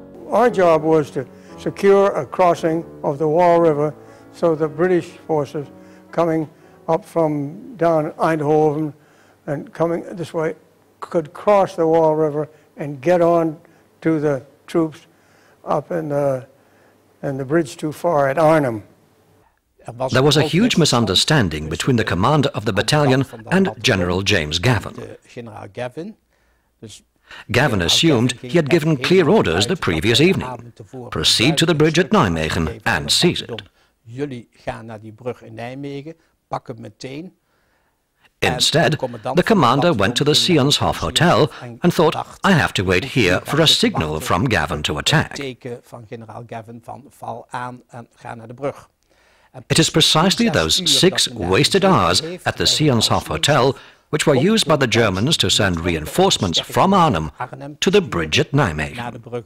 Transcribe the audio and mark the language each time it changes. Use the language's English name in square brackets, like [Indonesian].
[English] Our job was to secure a crossing of the Waal River so the British forces coming up from down Eindhoven and coming this way could cross the Waal River and get on to the troops up in the bridge too far at Arnhem. There was a huge misunderstanding between the commander of the battalion and General James Gavin. Gavin assumed he had given clear orders the previous evening. Proceed to the bridge at Nijmegen and seize it. [Dutch] Jullie gaan naar die brug in Nijmegen, pak het meteen. [English] Instead, the commander went to the Seanshof Hotel and thought, I have to wait here for a signal from Gavin to attack. It is precisely those 6 wasted hours at the Seanshof Hotel which were used by the Germans to send reinforcements from Arnhem to the bridge at Nijmegen.